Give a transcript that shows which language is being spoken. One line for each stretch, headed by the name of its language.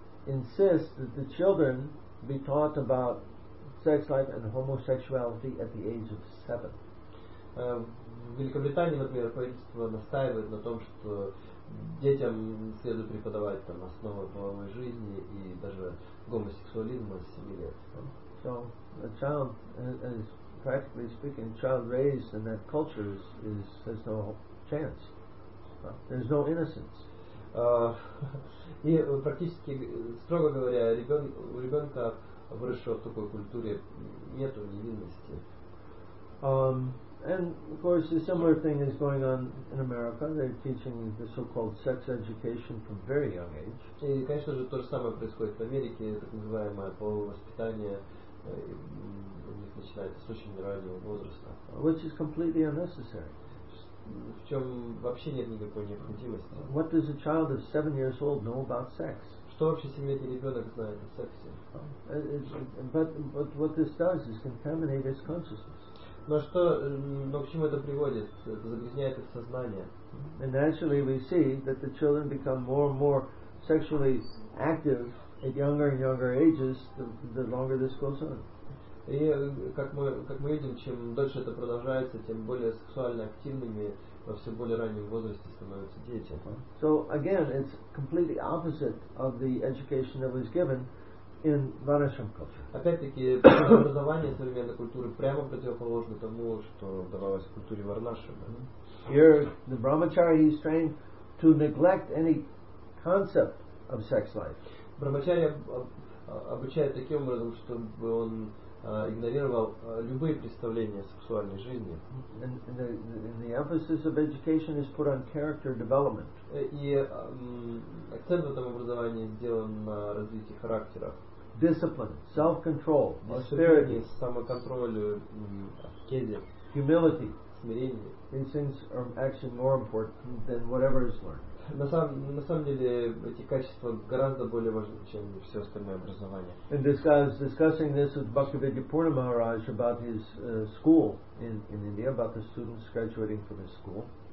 English: insist that the children be taught about sex life and homosexuality at the age of 7.
Russian: В Великобритании, например, правительство настаивает на том, что детям следует преподавать там основы половой жизни и даже гомосексуализма с 7 лет.
English: So a child, as practically speaking, a child raised in that culture has no chance. There's no innocence.
Russian: И практически, строго говоря, у ребенка, выросшего в такой культуре, нет невинности.
English: And of course, a similar thing is going on in America. They're teaching the so-called sex education from very young age.
Russian: И, конечно же, то же самое происходит в Америке, так называемое половое воспитание. У них начинается с очень раннего возраста.
English: Which is completely unnecessary.
Russian: В чем вообще нет никакой необходимости.
English: What does a child of 7 years old know about sex?
Russian: Что вообще 7-летний ребенок знает о сексе?
English: But what this does is contaminate his consciousness.
Russian: Но к чему это приводит? Это загрязняет их сознание.
English: And actually we see that the children become more and more sexually active at younger and younger ages, the longer this goes on.
Russian: И как мы видим, чем дольше это продолжается, тем более сексуально активными во все более раннем возрасте становятся дети.
English: So again, it's completely opposite of the education that was given in Varnashram culture.
Russian: Опять-таки, образование современной культуры прямо противоположно тому, что давалось в культуре Варнашрама.
English: Here, the brahmachari is trained to neglect any concept of sex life.
Russian: Брахмачарья обучает таким образом, чтобы он игнорировал любые представления о сексуальной жизни.
English: And the emphasis of education is put on character development.
Russian: И акцент в этом образовании сделан на развитии характера.
English: Discipline, self-control, austerity,
Russian: самоконтролю, аскезе,
English: humility,
Russian: смирение.
English: These things are actually more important than whatever is learned.
Russian: На самом деле эти качества гораздо более важны, чем все остальное образование.
English: And this guy was discussing this with Bhaktivedya Purna Maharaj about his school in India, about the students graduating from his school.